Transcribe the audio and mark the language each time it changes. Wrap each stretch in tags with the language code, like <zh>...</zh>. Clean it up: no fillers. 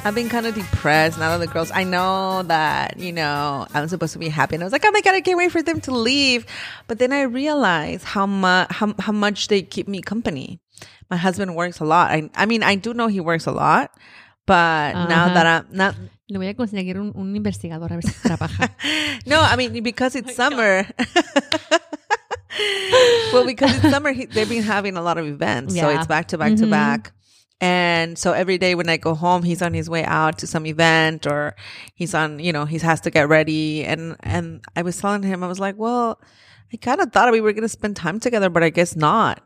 <en>I've been kind of depressed. Now that the girls, I know that, you know, I'm supposed to be happy. And I was like, oh my God, I can't wait for them to leave. But then I realized how much they keep me company. My husband works a lot. I mean, I do know he works a lot. But Now that I'm not...</en> <es>Le voy a conseguir un investigador a ver si trabaja.</es> <en>No, I mean, because it's summer... Well, because it's summer, they've been having a lot of events. Yeah. So it's back to back to back. And so every day when I go home, he's on his way out to some event or he's on, you know, he has to get ready. And I was telling him, I was like, well, I kind of thought we were going to spend time together, but I guess not.</en>